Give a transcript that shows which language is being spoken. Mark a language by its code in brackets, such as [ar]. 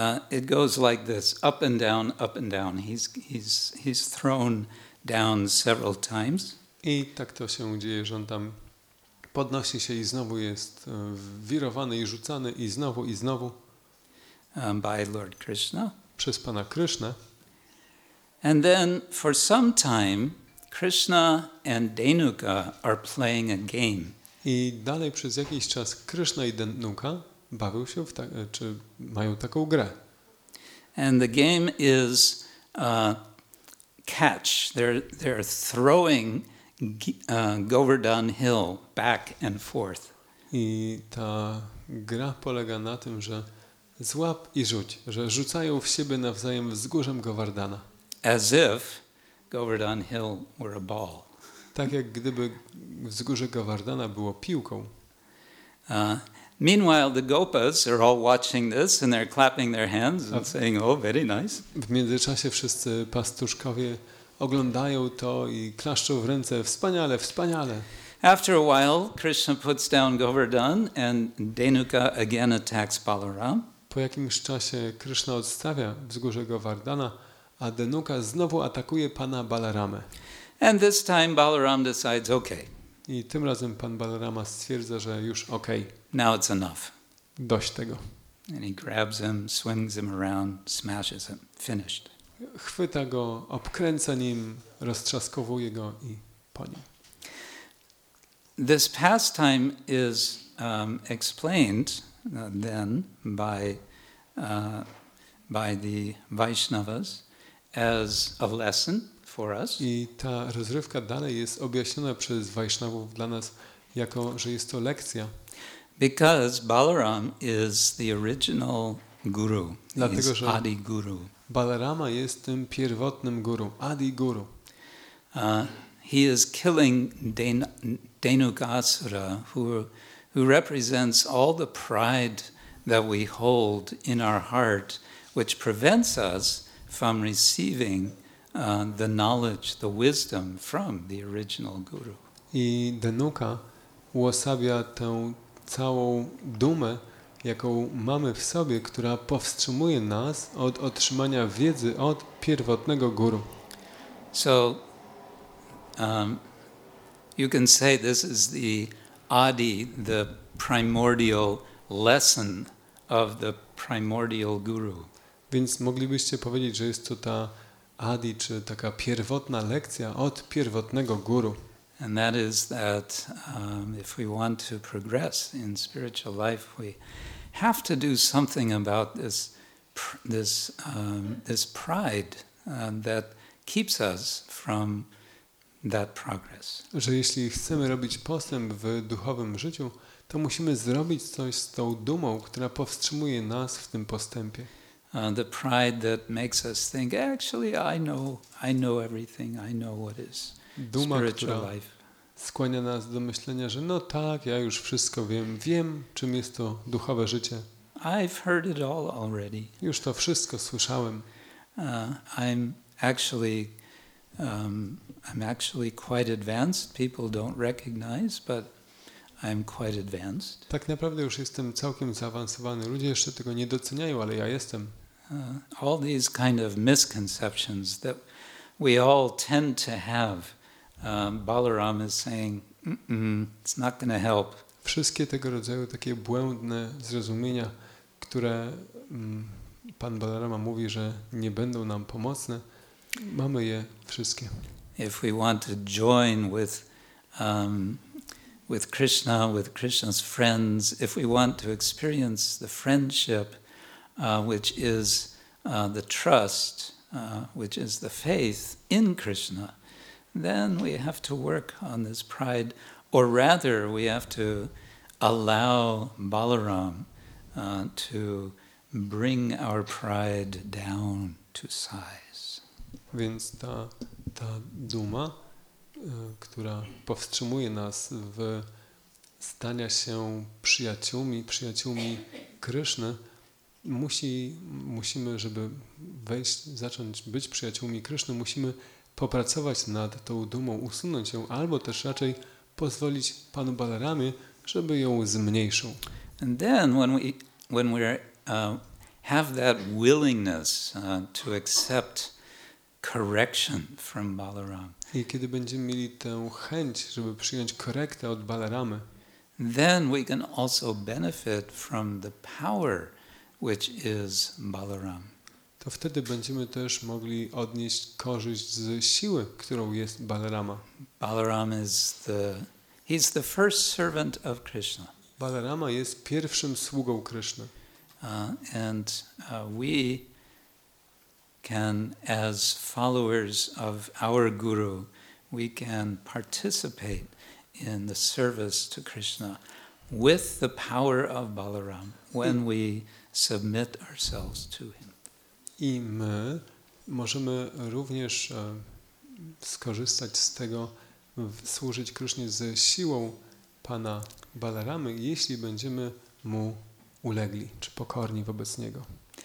[en] It goes like this, up and down, up and down. He's thrown down several times. [pl] I tak to się dzieje, że on tam podnosi się i znowu jest wirowany i rzucany i znowu [en] by Lord Krishna. [pl] Przez pana Krishna. [en] And then for some time Krishna and Denuka are playing a game. [pl] I dalej przez jakiś czas Krishna i Denuka bawią się w ta, czy mają taką grę. [en] And the game is catch. They're throwing Govardhan Hill back and forth. [pl] I ta gra polega na tym, że złap i rzuć, że rzucają w siebie nawzajem wzgórzem Govardhana. [en] As if Govardhan Hill were a ball. [pl] Tak jak gdyby wzgórze Govardhana było piłką. [en] Meanwhile the gopas are all watching this and they're clapping their hands and saying, "Oh, very nice." [pl] W międzyczasie wszyscy pastuszkowie oglądają to i klaszczą w ręce, wspaniale, wspaniale. [en] After a while, Krishna puts down Govardhan and Denuka again attacks Balaram. [pl] Po jakimś czasie Krishna odstawia wzgórze Govardhana, a Denuka znowu atakuje pana Balarama. [en] And this time Balaram decides, "Okay." [pl] I tym razem pan Balarama stwierdza, że już okej. [en] Okay. Now it's enough. [pl] Dość tego. [en] And he grabs him, swings him around, smashes him. Finished. [pl] Chwyta go, obkręca nim, roztrzaskowuje go i po nim. [en] This pastime is explained then by the Vaishnavas as a lesson. [pl] I ta rozrywka dalej jest objaśniona przez Vaishnavów dla nas jako, że jest to lekcja. [en] Because Balaram is the original guru. [pl] Dlatego, że Adi Guru. Balarama jest tym pierwotnym guru, Adi Guru. [en] He is killing Denukasura, who represents all the pride that we hold in our heart, which prevents us from receiving the knowledge, the wisdom from the original guru. [pl] I Denuka uosabia tę całą dumę, jaką mamy w sobie, która powstrzymuje nas od otrzymania wiedzy od pierwotnego guru. [en] So you can say this is the Adi, the primordial lesson of the primordial guru. [pl] Więc moglibyście powiedzieć, że jest to ta Adi, czy taka pierwotna lekcja od pierwotnego guru. [en] And that is that if we want to progress in spiritual life, we have to do something about this pride that keeps us from that progress. [pl] Że jeśli chcemy robić postęp w duchowym życiu, to musimy zrobić coś z tą dumą, która powstrzymuje nas w tym postępie. [en] The pride that makes us think, actually, I know everything, I know what is spiritual life. [pl] Skłania nas do myślenia, że no tak, ja już wszystko wiem, wiem, czym jest to duchowe życie. [en] I've heard it all already. [pl] Już to wszystko słyszałem. [en] I'm actually quite advanced. People don't recognize, but I'm quite advanced. [pl] Tak naprawdę już jestem całkiem zaawansowany. Ludzie jeszcze tego nie doceniają, ale ja jestem. [en] All these kind of misconceptions that we all tend to have, Balaram is saying, it's not going to help. [pl] Wszystkie tego rodzaju takie błędne zrozumienia, które pan Balarama mówi, że nie będą nam pomocne, mamy je wszystkie. [en] If we want to join with Krishna, with Krishna's friends, if we want to experience the friendship, which is the trust, which is the faith in Krishna, then we have to work on this pride, or rather we have to allow Balaram to bring our pride down to size. [pl] Więc ta duma, która powstrzymuje nas w stania się przyjaciółmi Kryszny, musimy, żeby wejść, zacząć być przyjaciółmi Kryszny, musimy popracować nad tą dumą, usunąć ją, albo też raczej pozwolić panu Balaramie, żeby ją zmniejszył. [en] And then when we have that willingness to accept correction from Balaram. [pl] I kiedy będziemy mieli tę chęć, żeby przyjąć korektę od Balaramy, [en] then we can also benefit from the power which is Balaram. [pl] To wtedy będziemy też mogli odnieść korzyść z siły, którą jest Balarama. [en] Balaram is the He's the first servant of Krishna. [pl] Balarama jest pierwszym sługą Krishna. [en] And we can, as followers of our guru, we can participate in the service to Krishna with the power of Balaram when we submit ourselves to him. [pl] I my możemy również skorzystać z tego, służyć Krishnie ze siłą Pana Balaramy, jeśli będziemy mu ulegli, czy pokorni wobec niego.